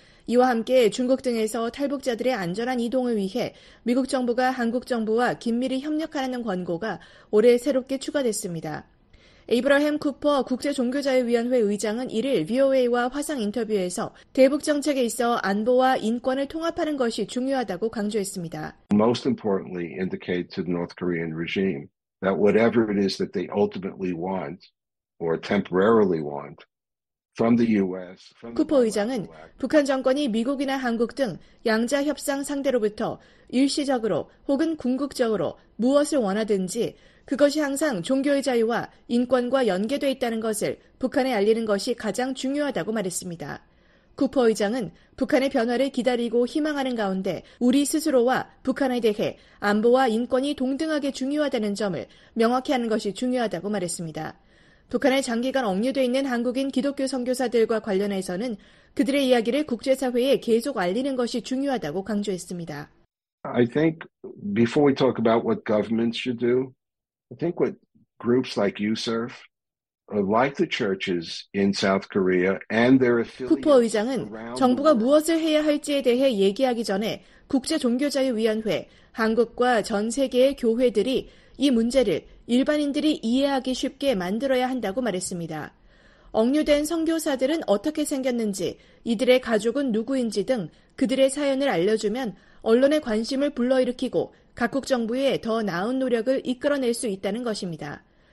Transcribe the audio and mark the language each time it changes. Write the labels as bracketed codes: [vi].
[ko] 이와 함께 중국 등에서 탈북자들의 안전한 이동을 위해 미국 정부가 한국 정부와 긴밀히 협력하라는 권고가 올해 새롭게 추가됐습니다. 에이브라햄 쿠퍼 국제종교자유위원회 의장은 이를 VOA와 화상 인터뷰에서 대북 정책에 있어 안보와 인권을 통합하는 것이 중요하다고 강조했습니다. [en] Most importantly, indicate to the North Korean regime that whatever it is that they ultimately want or temporarily want. [ko] 쿠퍼 의장은 북한 정권이 미국이나 한국 등 양자 협상 상대로부터 일시적으로 혹은 궁극적으로 무엇을 원하든지 그것이 항상 종교의 자유와 인권과 연계돼 있다는 것을 북한에 알리는 것이 가장 중요하다고 말했습니다. 쿠퍼 의장은 북한의 변화를 기다리고 희망하는 가운데 우리 스스로와 북한에 대해 안보와 인권이 동등하게 중요하다는 점을 명확히 하는 것이 중요하다고 말했습니다. 북한에 장기간 억류돼 있는 한국인 기독교 선교사들과 관련해서는 그들의 이야기를 국제사회에 계속 알리는 것이 중요하다고 강조했습니다. [en] I think before we talk about what governments should do, I think what groups like USERF, like the churches in South Korea and their affiliates. [ko] 쿠퍼 의장은 정부가 무엇을 해야 할지에 대해 얘기하기 전에 국제 종교자유위원회, 한국과 전 세계의 교회들이 이 문제를 일반인들이 이해하기 쉽게 만들어야 한다고 말했습니다. 억류된 선교사들은 어떻게 생겼는지, 이들의 가족은 누구인지 등 그들의 사연을 알려주면 언론의 관심을 불러일으키고 각국 정부에 더 나은 노력을 이끌어낼 수 있다는 것입니다.